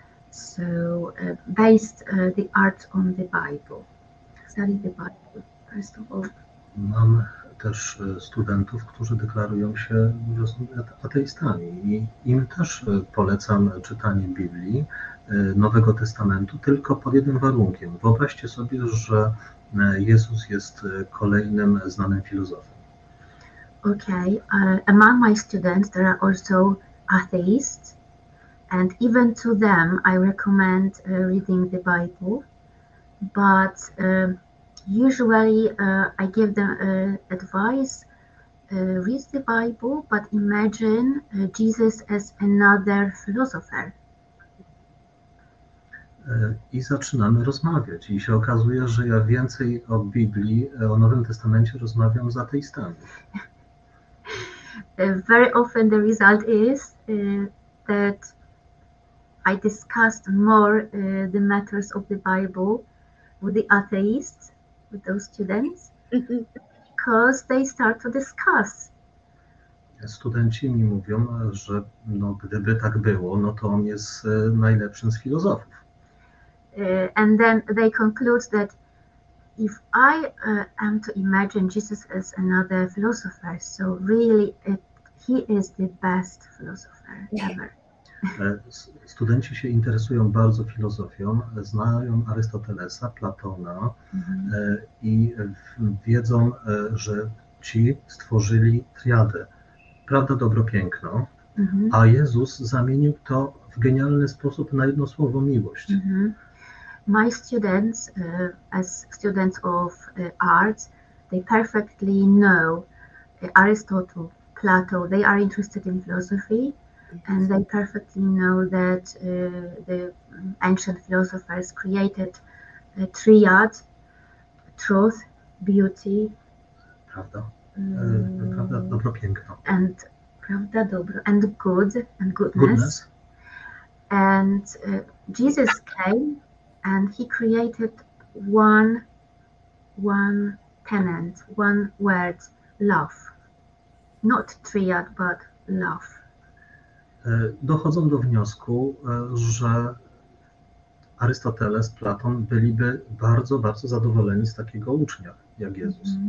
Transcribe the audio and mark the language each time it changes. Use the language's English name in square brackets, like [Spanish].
[English] So, based the art on the Bible, study the Bible first of all. [Polish] Mam też studentów, którzy deklarują się, że są ateistami, i im też polecam czytanie Biblii, Nowego Testamentu, tylko pod jednym warunkiem. Wyobraźcie sobie, że Jezus jest kolejnym znanym filozofem. [English] Okay, among my students there are also atheists. And even to them, I recommend reading the Bible. But usually, I give them advice: read the Bible, but imagine Jesus as another philosopher. [Polish] I zaczynamy rozmawiać. I się okazuje, że ja więcej o Biblii, o Nowym Testamencie rozmawiam z ateistami. [English] Very often, the result is that I discussed more the matters of the Bible with the atheists, with those students, because they start to discuss. [Polish] Studenci mi mówią, że no, gdyby tak było, no to on jest najlepszym z filozofów. And then they conclude that if I am to imagine Jesus as another philosopher, so really he is the best philosopher ever. Studenci się interesują bardzo filozofią, znają Arystotelesa, Platona i wiedzą, że ci stworzyli triadę. Prawda, dobro, piękno, a Jezus zamienił to w genialny sposób na jedno słowo: miłość. [English] My students, as students of arts, they perfectly know Aristotle, Plato, they are interested in philosophy. And they perfectly know that the ancient philosophers created a triad: truth, beauty, [Polish] prawda, prawda, dobro, piękno, [English] and [Polish] prawda, dobro, [English] and good, and goodness. And Jesus came, and he created one tenet, one word: love. Not triad, but love. [Polish] Dochodzą do wniosku, że Arystoteles, Platon byliby bardzo, bardzo zadowoleni z takiego ucznia jak Jezus.